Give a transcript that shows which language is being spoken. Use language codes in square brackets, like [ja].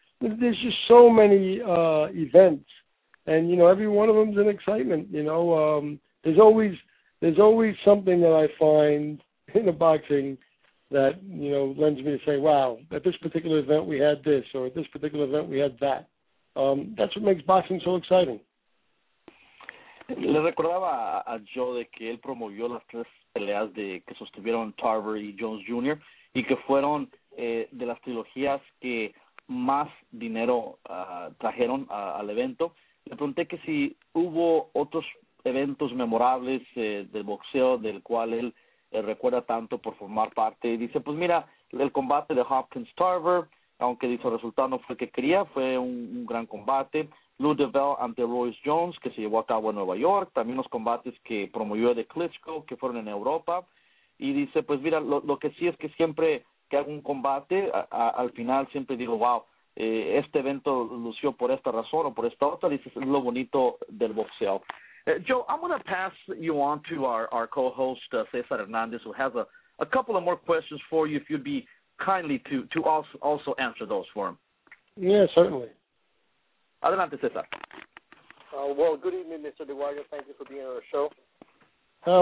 [en] There's just so many events. And, you know, every one of them is an excitement, you know. There's always something that I find in the boxing that, you know, lends me to say, wow, at this particular event we had this, or at this particular event we had that. That's what makes boxing so exciting. [es] Le recordaba a Joe de que él promovió las tres peleas de que sostuvieron Tarver y Jones Jr. y que fueron de las trilogías que más dinero trajeron al evento. Le pregunté que si hubo otros eventos memorables del boxeo del cual él recuerda tanto por formar parte. Y dice, pues mira, el combate de Hopkins-Tarver, aunque dice el resultado no fue el que quería, fue un gran combate. Lou Deville ante Royce Jones, que se llevó a cabo en Nueva York. También los combates que promovió de Klitschko, que fueron en Europa. Y dice, pues mira, lo que sí es que siempre que hago un combate, al final siempre digo, wow, este evento lució por esta razón o por esta otra. Dice, es lo bonito del boxeo. [en] Joe, I'm going to pass you on to our co-host, Cesar Hernandez, who has a couple of more questions for you, if you'd be kindly to also answer those for him. Yeah, certainly. [es] Adelante, Cesar. [en] Well, good evening, Mr. DeGuaglia. Thank you for being on the show.